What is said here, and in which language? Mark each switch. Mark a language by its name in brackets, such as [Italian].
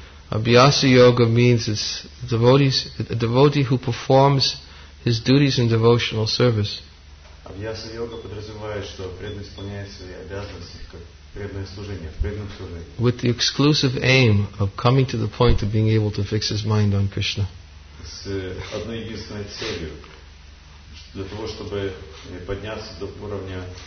[English] Abhyasa yoga means it's a devotee who performs his duties in devotional service. [Russian] Abhyasa yoga подразумевает, что преданный исполняет свои обязанности как преданное служение, в преданном служении. [English] With the exclusive aim of coming to the point of being able to fix his mind on Krishna. [Russian] С одной единственной целью, для того, чтобы подняться до уровня